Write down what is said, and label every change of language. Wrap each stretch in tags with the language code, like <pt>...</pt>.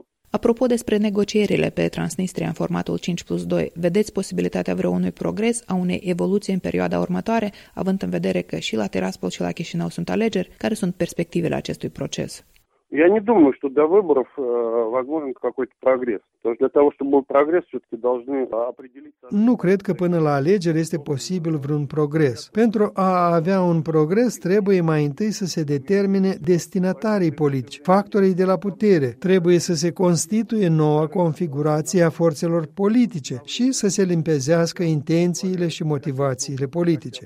<ro>Apropo despre negocierile pe Transnistria în formatul 5+2, vedeți posibilitatea vreunui progres, a unei evoluții în perioada următoare, având în vedere că și la Tiraspol și la Chișinău sunt alegeri, care sunt perspectivele acestui proces?</ro> <ru>Я не думаю, что до выборов возможен какой-то прогресс. Тож для того, чтобы был прогресс, всё-таки должны определить.</ru> <ro>Nu cred că până la alegeri este posibil vreun progres. Pentru a avea un progres, trebuie mai întâi să se determine destinatarii politici, factorii de la putere. Trebuie să se constituie noua configurație a forțelor politice și să se limpezească intențiile și motivațiile politice.</ro>